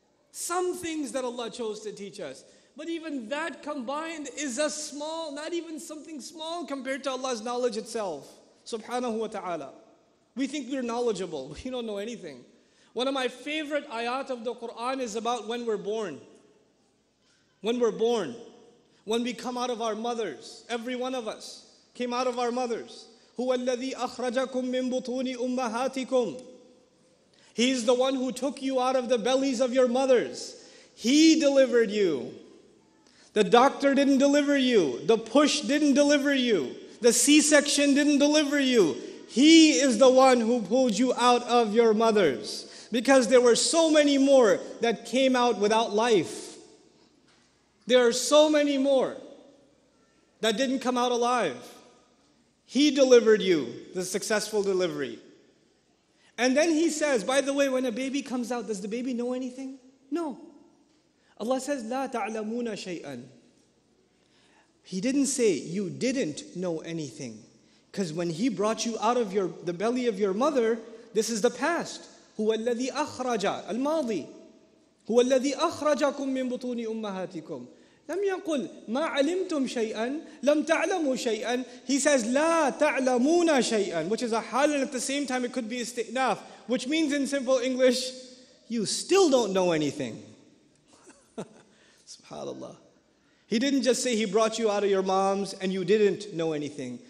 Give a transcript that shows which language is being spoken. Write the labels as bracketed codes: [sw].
[en] Some things that Allah chose to teach us. But even that combined is a small, not even something small compared to Allah's knowledge itself. Subhanahu wa ta'ala. We think we're knowledgeable. We don't know anything. One of my favorite ayat of the Quran is about when we're born. When we're born. When we come out of our mothers. Every one of us came out of our mothers. [ar] هُوَ الَّذِي أَخْرَجَكُم مِّن بُطُونِ أُمَّهَاتِكُمْ. [en] He is the one who took you out of the bellies of your mothers. He delivered you. The doctor didn't deliver you. The push didn't deliver you. The C-section didn't deliver you. He is the one who pulled you out of your mothers, because there were so many more that came out without life. There are so many more that didn't come out alive. He delivered you the successful delivery. And then he says, by the way, when a baby comes out, does the baby know anything? No. Allah says, [ar] لا تعلمون شيئاً. [en] He didn't say, you didn't know anything. Because when he brought you out of the belly of your mother, this is the past. [ar] هو الذي أخرج الماضي. هو الذي أخرجكم من بطون أمهاتكم. لم يقل ما علمتم شيئا لم تعلموا شيئا. [en] He says [ar] لا تعلمون شيئا, [en] which is a hal, and at the same time it could be istinaf, which means in simple English, you still don't know anything. Subhanallah. He didn't just say he brought you out of your moms and you didn't know anything.